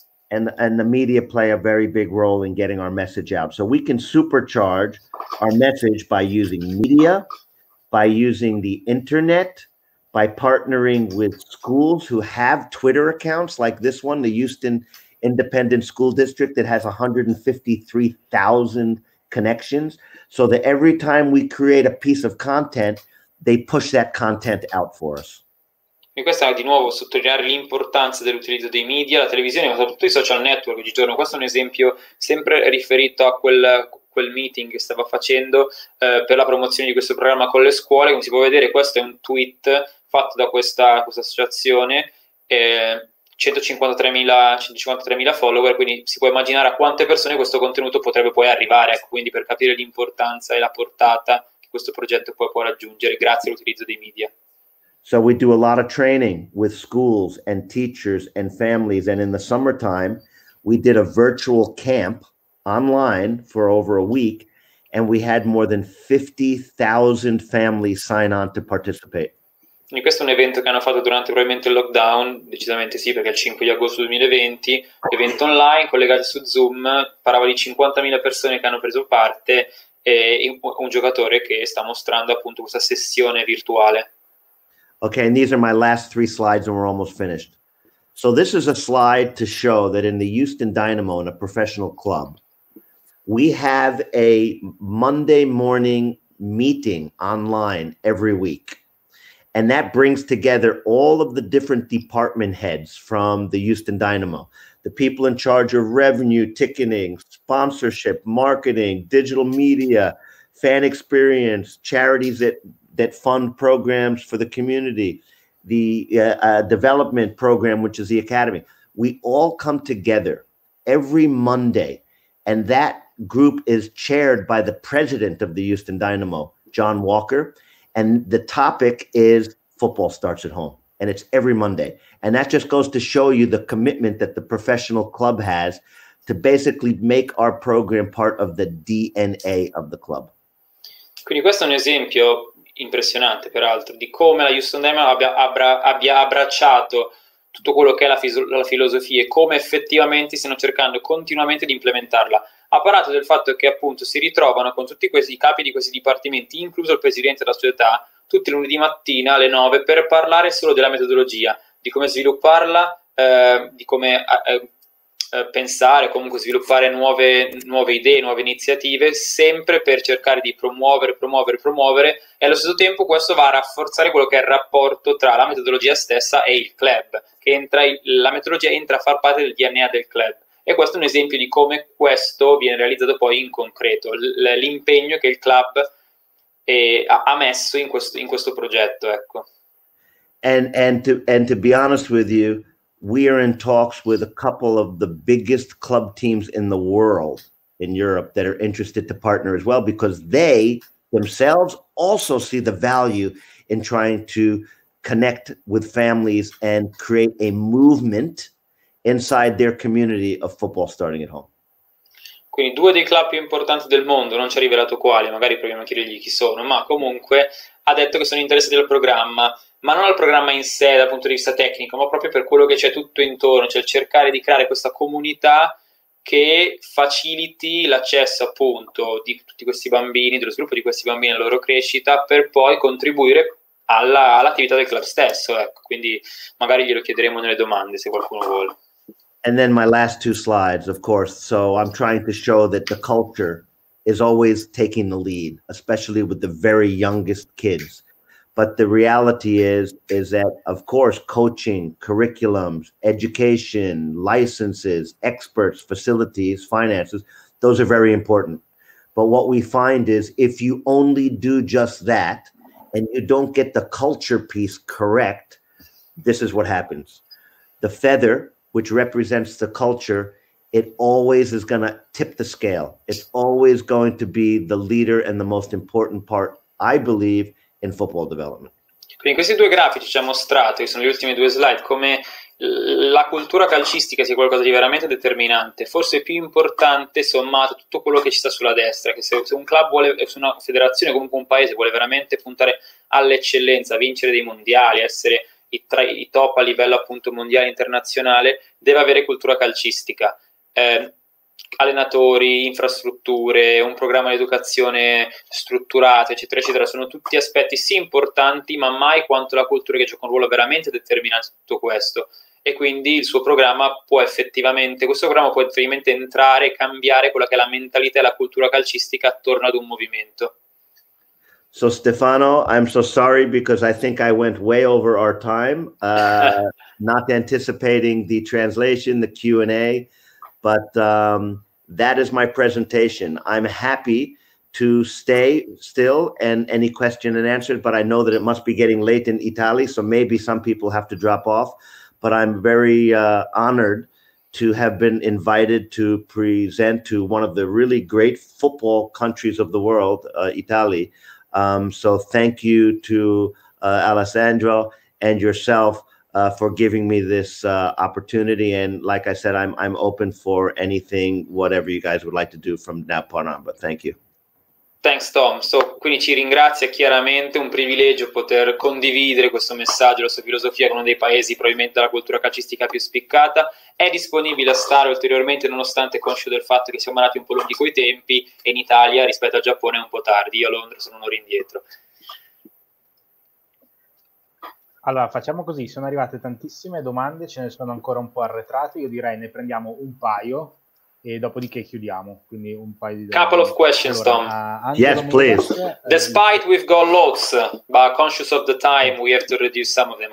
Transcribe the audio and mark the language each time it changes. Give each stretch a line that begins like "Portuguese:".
English: And the media play a very big role in getting our message out. So we can supercharge our message by using media, by using the internet, by partnering with schools who have Twitter accounts like this one, the Houston Independent School District that has 153,000 connections, so that every time we create a piece of content, they push that content out for us.
Italian: E questa è di nuovo sottolineare l'importanza dell'utilizzo dei media, la televisione, ma soprattutto i social network oggigiorno. Questo è un esempio sempre riferito a quel meeting che stava facendo per la promozione di questo programma con le scuole. Come si può vedere, questo è un tweet fatto da questa associazione, 153.000 follower, quindi si può immaginare a quante persone questo contenuto potrebbe poi arrivare, quindi per capire l'importanza e la portata che questo progetto può raggiungere grazie all'utilizzo dei media.
English: So we do a lot of training with schools and teachers and families, and in the summertime we did a virtual camp online for over a week, and we had more than 50,000 families sign on to participate.
Italian: Quindi questo è un evento che hanno fatto durante probabilmente il lockdown, decisamente sì, perché è il 5 di agosto 2020, evento online collegato su Zoom, parlava di 50.000 persone che hanno preso parte e un giocatore che sta mostrando appunto questa sessione virtuale.
English: Okay, and these are my last three slides and we're almost finished. So this is a slide to show that in the Houston Dynamo, in a professional club, we have a Monday morning meeting online every week. And that brings together all of the different department heads from the Houston Dynamo, the people in charge of revenue, ticketing, sponsorship, marketing, digital media, fan experience, charities that fund programs for the community, the development program, which is the academy. We all come together every Monday, and that group is chaired by the president of the Houston Dynamo, John Walker. And the topic is Football Starts at Home, and it's every Monday. And that just goes to show you the commitment that the professional club has to basically make our program part of the DNA of the club.
Italian: Quindi questo è un esempio impressionante, peraltro, di come la Houston Dynamo abbia abbracciato tutto quello che è la filosofia e come effettivamente stiano cercando continuamente di implementarla. Ha parlato del fatto che appunto si ritrovano con tutti questi capi di questi dipartimenti, incluso il presidente della società, tutti lunedì mattina alle 9 per parlare solo della metodologia, di come svilupparla, di come pensare, comunque sviluppare nuove idee, nuove iniziative, sempre per cercare di promuovere, e allo stesso tempo questo va a rafforzare quello che è il rapporto tra la metodologia stessa e il club, che la metodologia entra a far parte del DNA del club. E questo è un esempio di come questo viene realizzato poi in concreto, l'impegno che il club ha messo in questo progetto, ecco.
English: And to be honest with you, we are in talks with a couple of the biggest club teams in the world, in Europe, that are interested to partner as well, because they themselves also see the value in trying to connect with families and create a movement inside their community of football starting at home.
Italian: Quindi due dei club più importanti del mondo, non ci ha rivelato quali, magari proviamo a chiedergli chi sono, ma comunque ha detto che sono interessati al programma, ma non al programma in sé dal punto di vista tecnico, ma proprio per quello che c'è tutto intorno, cioè cercare di creare questa comunità che faciliti l'accesso appunto di tutti questi bambini, dello sviluppo di questi bambini, alla loro crescita, per poi contribuire all'attività del club stesso, ecco. Quindi magari glielo chiederemo nelle domande, se qualcuno vuole.
English: And then my last two slides, of course. So I'm trying to show that the culture is always taking the lead, especially with the very youngest kids. But the reality is that, of course, coaching, curriculums, education, licenses, experts, facilities, finances, those are very important. But what we find is if you only do just that and you don't get the culture piece correct, this is what happens. The feather, which represents the culture, it always is going to tip the scale. It's always going to be the leader and the most important part, I believe, in football development.
Italian: Quindi questi due grafici ci ha mostrato, che sono gli ultimi due slide, come la cultura calcistica sia qualcosa di veramente determinante, forse più importante sommato tutto quello che ci sta sulla destra, che se un club vuole, se una federazione, comunque un paese vuole veramente puntare all'eccellenza, vincere dei mondiali, essere i top a livello appunto mondiale, internazionale, deve avere cultura calcistica. Allenatori, infrastrutture, un programma di educazione strutturato, eccetera, eccetera, sono tutti aspetti sì importanti, ma mai quanto la cultura, che gioca un ruolo veramente determinante in tutto questo. E quindi il suo programma può effettivamente, questo programma può effettivamente entrare e cambiare quella che è la mentalità e la cultura calcistica attorno ad un movimento.
English: So Stefano, I'm so sorry because I think I went way over our time, not anticipating the translation, the Q&A, but that is my presentation. I'm happy to stay still and any question and answer, but I know that it must be getting late in Italy, so maybe some people have to drop off, but I'm very honored to have been invited to present to one of the really great football countries of the world, Italy. So thank you to Alessandro and yourself for giving me this opportunity. And like I said, I'm open for anything, whatever you guys would like to do from that point on, but thank you. Thanks Tom.
Italian: So quindi ci ringrazia, chiaramente un privilegio poter condividere questo messaggio, la sua filosofia, con uno dei paesi probabilmente della cultura calcistica più spiccata. È disponibile a stare ulteriormente, nonostante conscio del fatto che siamo andati un po' lunghi coi tempi, e in Italia rispetto al Giappone è un po' tardi, io a Londra sono un'ora indietro. Allora facciamo così, sono arrivate tantissime domande, ce ne sono ancora un po' arretrate, io direi ne prendiamo un paio e dopodiché chiudiamo, quindi un paio di
English: couple
Italian: domande.
English: Of questions,
Italian: allora, Tom.
English: Yes, please. Despite we've got lots, but conscious of the time, we have to reduce some of them.